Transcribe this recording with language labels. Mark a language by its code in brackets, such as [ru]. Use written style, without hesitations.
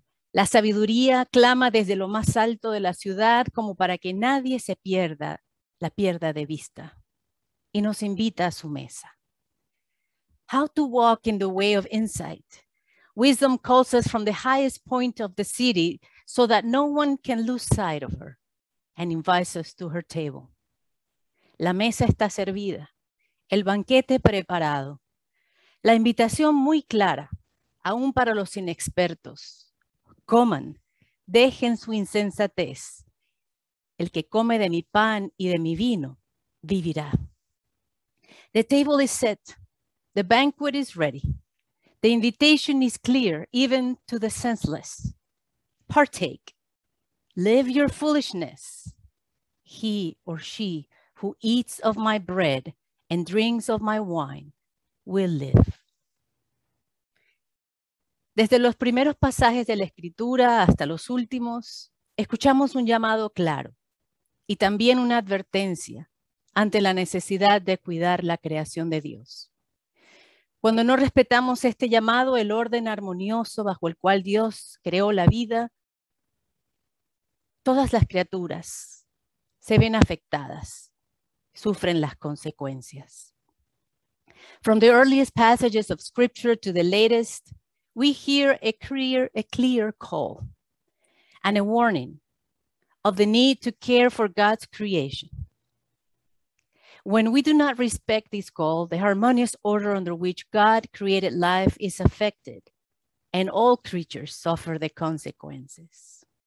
[es] La sabiduría clama desde lo más alto de la ciudad como para que nadie se pierda, la pierda de vista, y nos invita a su mesa. [en] How to walk in the way of insight? Wisdom calls us from the highest point of the city so that no one can lose sight of her and invites us to her table. [es] La mesa está servida, el banquete preparado. La invitación muy clara, aún para los inexpertos. Coman, dejen su insensatez. El que come de mi pan y de mi vino, vivirá. [en] The table is set. The banquet is ready. The invitation is clear, even to the senseless. Partake. Live your foolishness. He or she who eats of my bread and drinks of my wine will live. [es] Desde los primeros pasajes de la Escritura hasta los últimos, escuchamos un llamado claro y también una advertencia ante la necesidad de cuidar la creación de Dios. Cuando no respetamos este llamado, el orden armonioso bajo el cual Dios creó la vida, todas las criaturas se ven afectadas, sufren las consecuencias. [en] From the earliest passages of Scripture to the latest, we hear a clear call and a warning of the need to care for God's creation. When we do not respect this call, the harmonious order under which God created life is affected, and all creatures suffer the consequences.